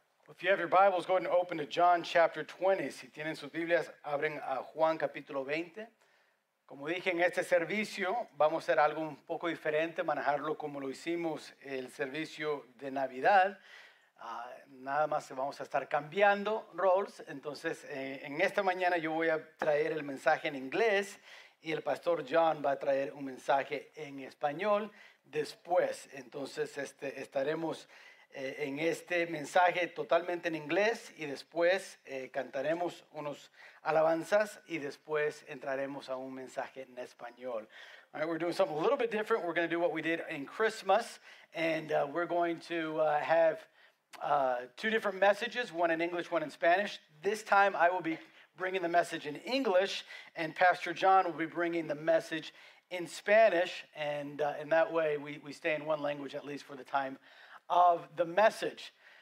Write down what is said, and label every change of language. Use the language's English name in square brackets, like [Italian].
[English] If you have your Bibles, go ahead and open to John chapter 20. [Spanish] Si tienen sus Biblias, abren a Juan capítulo 20. Como dije, en este servicio vamos a hacer algo un poco diferente, manejarlo como lo hicimos el servicio de Navidad. Nada más vamos a estar cambiando roles. Entonces, en esta mañana yo voy a traer el mensaje en inglés y el pastor John va a traer un mensaje en español después. Entonces, estaremos en este mensaje totalmente en inglés y después cantaremos unos alabanzas y después entraremos a un mensaje en español. [English] All right, we're doing something a little bit different. We're going to do what we did in Christmas, and we're going to have two different messages, one in English, one in Spanish. This time I will be bringing the message in English, and Pastor John will be bringing the message in Spanish, and in that way we stay in one language at least for the time of the message.